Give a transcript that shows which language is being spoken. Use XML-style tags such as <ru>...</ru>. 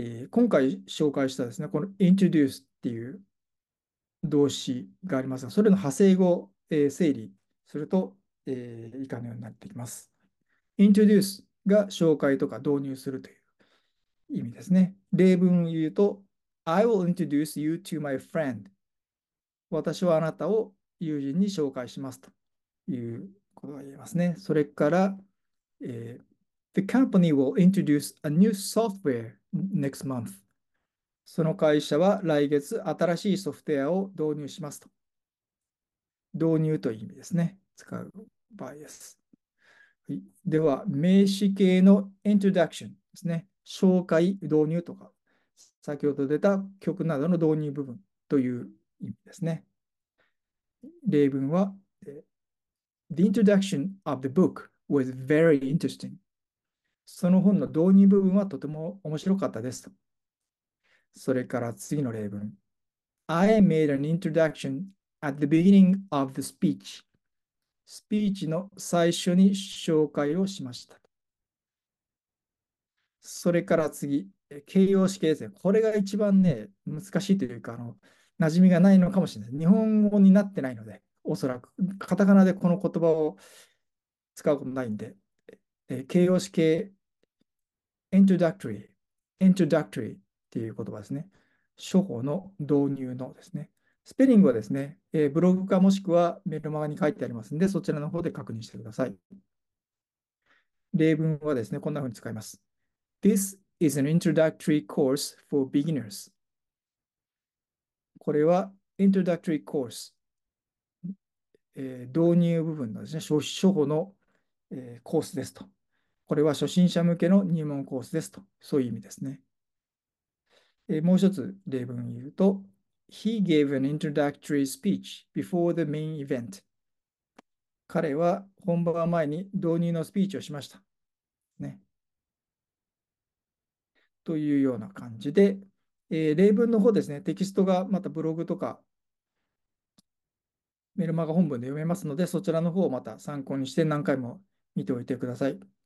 <ja>今回紹介したですね、この introduce っていう動詞がありますが、それの派生語を、整理すると、以下のようになってきます。 introduce が紹介とか導入するという意味ですね。例文を言うと、</ja> <en>I will introduce you to my friend.</en> <ja>私はあなたを友人に紹介しますということが言えますね。それから、</ja> <en>The company will introduce a new software next month.</en> <ja>その会社は来月新しいソフトウェアを導入しますと。導入という意味ですね。使う場合です。はい、では、名詞形の introduction ですね。紹介、導入とか、先ほど出た曲などの導入部分という意味ですね。例文は、</ja> <en>The introduction of the book was very interesting.</en> <ja>その本の導入部分はとても面白かったです。それから次の例文。</ja> <en>I made an introduction at the beginning of the speech.</en> <ja>スピーチの最初に紹介をしました。それから次、形容詞形ですね。これが一番ね、難しいというか、馴染みがないのかもしれない。日本語になってないので、おそらく、カタカナでこの言葉を使うことないんで、形容詞形、introductory、introductory っていう言葉ですね。初歩の導入のですね。スペリングはですね、ブログかもしくはメルマガに書いてありますので、そちらの方で確認してください。例文はですね、こんなふうに使います。</ja> <en>This is an introductory course for beginners.</en> <ja>これは、introductory course。導入部分のですね、初歩の、コースですと。これは初心者向けの入門コースですと。そういう意味ですね。もう一つ例文を言うと、</ja> <en>He gave an introductory speech before the main event.</en> <ja>彼は本番前に導入のスピーチをしました。ね。というような感じで、例文の方ですね、テキストがまたブログとかメルマガ本文で読めますので、そちらの方をまた参考にして何回も見ておいてください。</ja>